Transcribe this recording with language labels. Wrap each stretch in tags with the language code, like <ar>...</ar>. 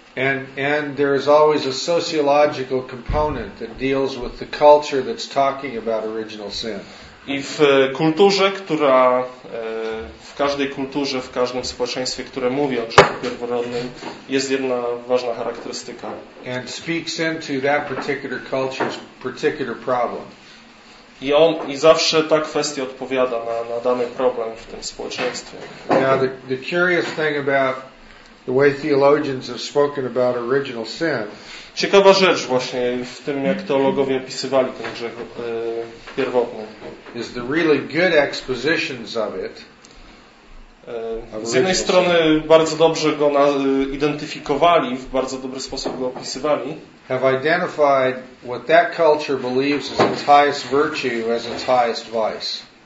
<en>And there is always a sociological component that deals with the culture that's talking about original sin.</en> <pl>I w kulturze, która w każdej kulturze, w każdym społeczeństwie, które mówi o grzechu pierworodnym, jest jedna ważna charakterystyka.</pl> <en>And speaks into that particular culture's particular problem.</en> <pl>I zawsze ta kwestia odpowiada na dany problem w tym społeczeństwie.</pl> <en>Now the curious thing about the way theologians have spoken about original sin.</en> <pl>Ciekawa rzecz właśnie w tym, jak teologowie opisywali ten grzech pierwotny.</pl> <en>Is the really good expositions of it.</en> <pl>Z jednej strony bardzo dobrze go identyfikowali, w bardzo dobry sposób go opisywali.</pl> <en>Have identified what that culture believes is its highest virtue as its highest vice.</en>